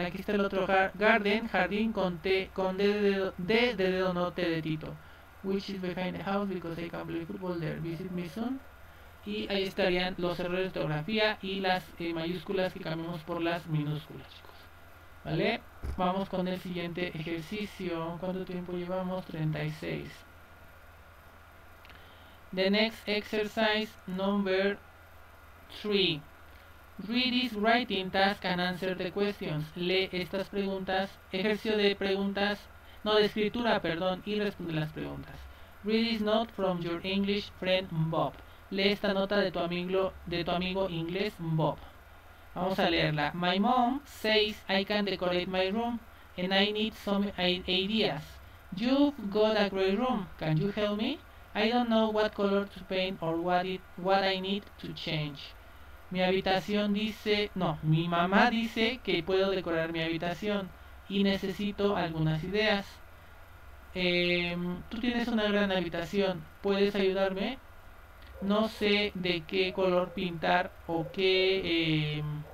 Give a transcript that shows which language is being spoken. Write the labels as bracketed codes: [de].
[es] Aquí está el otro garden, jardín con T, con D de dedo, no T de Tito. [en] Which is behind the house because I can play football there. Visit me soon. [es] Y ahí estarían los errores de ortografía y las mayúsculas que cambiamos por las minúsculas, chicos. ¿Vale? Vamos con el siguiente ejercicio. ¿Cuánto tiempo llevamos? 36. [en] The next exercise number 3. Read this writing task and answer the questions. [es] Lee estas preguntas. Ejercicio de preguntas. No, de escritura, perdón, y responde las preguntas. [en] Read this note from your English friend Bob. [es] Lee esta nota de tu amigo inglés Bob. Vamos a leerla. [en] My mom says I can decorate my room and I need some ideas. You've got a great room. Can you help me? I don't know what color to paint or what I need to change. [es] Mi habitación dice, no, mi mamá dice que puedo decorar mi habitación. Y necesito algunas ideas. Tú tienes una gran habitación. ¿Puedes ayudarme? No sé de qué color pintar o qué.